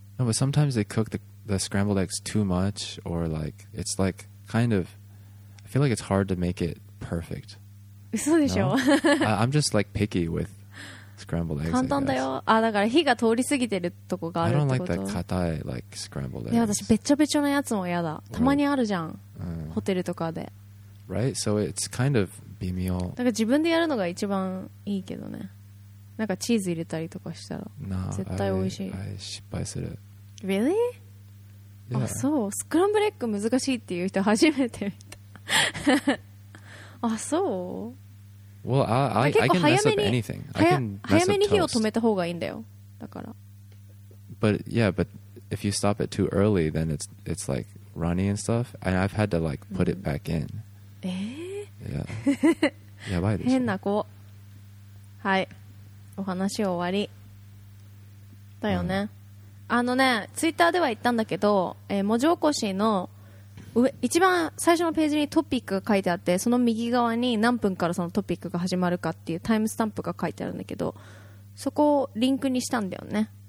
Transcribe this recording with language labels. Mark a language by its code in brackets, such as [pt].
[en] No, but sometimes they cook the scrambled eggs too much, or like, it's like, kind of, I feel like it's hard to make it perfect. [ja] 嘘でしょ？ [en] No? I'm just like picky with scrambled eggs. [ja] 簡単だよ。あ、だから火が通りすぎてるとこがあるってこと？ [en] I don't like the [ja] 硬い [en] like scrambled eggs. [ja] いや、私、べちゃべちゃのやつもやだ。たまにあるじゃん。ホテルとかで。 [en] Right? So it's kind of... [ja] 微妙。だから自分でやるのが一番いいけどね。なんかチーズ入れたりとかしたら絶対美味しい。 [en] I [ja] 失敗する。 [en] Really? Yeah. [ja] あ、そう。スクランブルエッグ難しいっていう人初めて見た。あ、そう。 [en] Well, I can mess up anything. I can mess up toast. [ja] 早めに火を止めた方がいいんだよ。だから。 [en] But yeah, but if you stop it too early, then it's like runny and stuff. And I've had to like put it back in. Yeah. [ja] やばいでしょ。変な子。はい、お話終わりだよね。あのね、ツイッターでは言ったんだけど、文字起こしの一番最初のページにトピックが書いてあって、その右側に何分からそのトピックが始まるかっていうタイムスタンプが書いてあるんだけど、そこをリンクにしたんだよね。